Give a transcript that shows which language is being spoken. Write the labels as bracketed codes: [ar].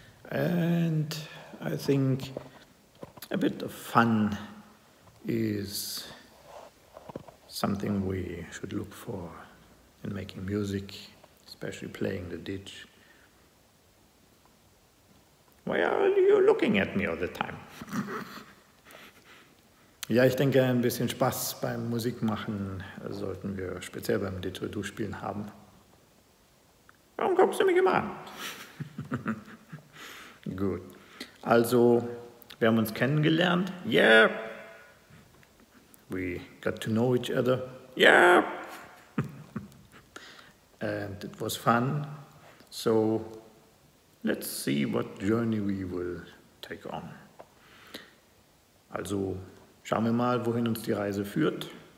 [en] And I think a bit of fun is something we should look for in making music, especially playing the didge. Why are you looking at me all the time? [de] Ja, ich denke, ein bisschen Spaß beim Musikmachen sollten wir speziell beim Didgeridoo-Spielen haben. Warum guckst du mich immer an? Gut. Also, wir haben uns kennengelernt. [en] Yeah. We got to know each other. Yeah. And it was fun. So, let's see what journey we will take on. [de] Also, schauen wir mal, wohin uns die Reise führt.